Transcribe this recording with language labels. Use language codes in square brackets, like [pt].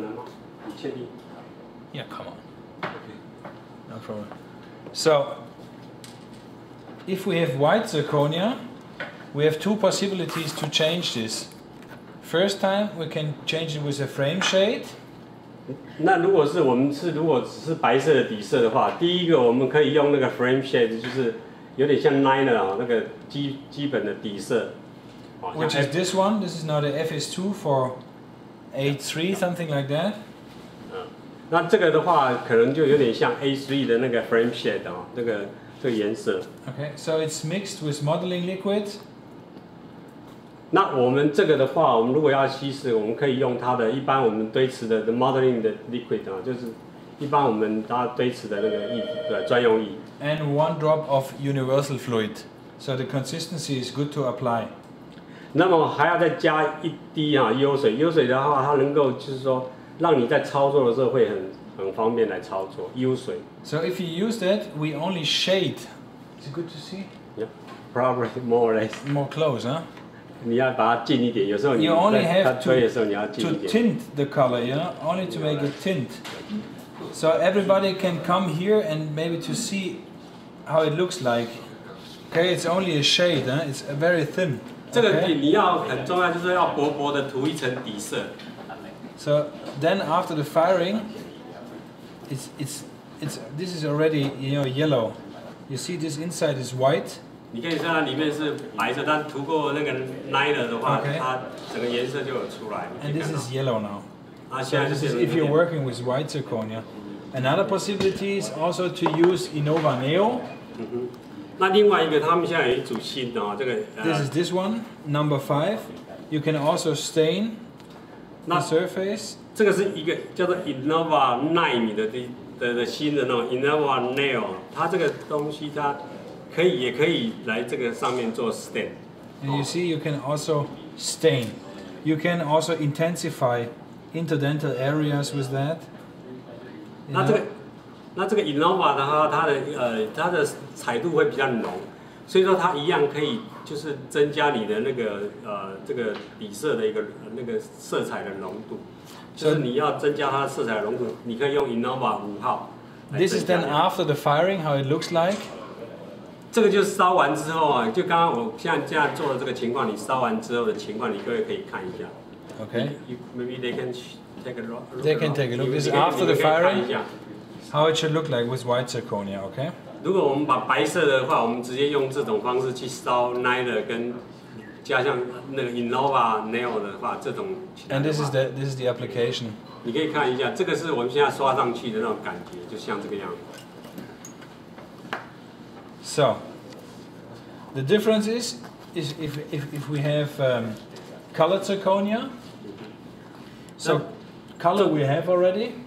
[en] no? Yeah, come on. Okay. No problem. So, if we have white zirconia, we have two possibilities to change this. First time, we can change it with a frame shade. [zh] 那如果是我们是如果只是白色的底色的话，第一个我们可以用那个 frame shade， 就是有点像 liner 那个基本的底色。 [en] Which is this one? This is not a FS2483 something like that. [zh] 那这个的话可能就有点像 A3 的那个 frame shade 这个颜色。 [en] Okay, so it's mixed with modeling liquid. [zh] 那我们这个的话，我们如果要稀释，我们可以用它的一般我们堆瓷的 modeling 的 liquid 就是一般我们它堆瓷的那个液专用液。 [en] And one drop of universal fluid, so the consistency is good to apply. [zh] 那么还要再加一滴釉水，釉水的话它能够就是说让你在操作的时候会很方便来操作釉水。 [en] So if you use that, we only shade. Is it good to see? Yeah, probably more or less. More close, huh? [zh] 你要把它近一点，有时候你在它吹的时候你要近一点。 [en] To tint the color, you know, only to make it tint, so everybody can come here and maybe to see how it looks like. Okay, it's only a shade, huh? It's very thin. [zh] 这个你要很重要，就是要薄薄的涂一层底色。 [en] So then after the firing, it's this is already you know yellow. You see this inside is white. [zh] 你可以看到里面是白色，但涂过那个 liner 的话， [en] okay. [zh] 它整个颜色就有出来。 [en] And this is yellow now. [zh] 啊，现在就是。 [en] So、if you're working with white zirconia, another possibility is also to use e Nova Neo.、 [zh] 嗯、那另外一个，他们现在有一组新的、这个。 [en] This is this one, number 5. You can also stain the surface. [zh] 这个是一个叫做 e Nova 纳米的新的那种 e Nova Neo， 它这个东西它。可以来这个上面做 stain。 [en] And you see, you can also stain. You can also intensify interdental areas with that. [zh] 那这个 Innova 的话，它的彩度会比较浓，所以说它一样可以就是增加你的那个这个底色的一个那个色彩的浓度。就是你要增加它的色彩浓度，你可以用 Innova 5号。 [en] This is then after the firing, how it looks like. [zh] 这个就烧完之后啊，就刚刚我像这样做的这个情况，你烧完之后的情况，你各位可以看一下。 [en] Okay. Maybe they can take a look. They can take a look. This is after the firing. How it should look like with white zirconia, okay? [zh] 如果我们把白色的话，我们直接用这种方式去烧 Neo 跟加上那个 Innova Neo 的话，这种。 [en] And this is the application. [zh] 你可以看一下，这个是我们现在刷上去的那种感觉，就像这个样子。 [en] So, the difference is if we have colored zirconia. So, color we have already.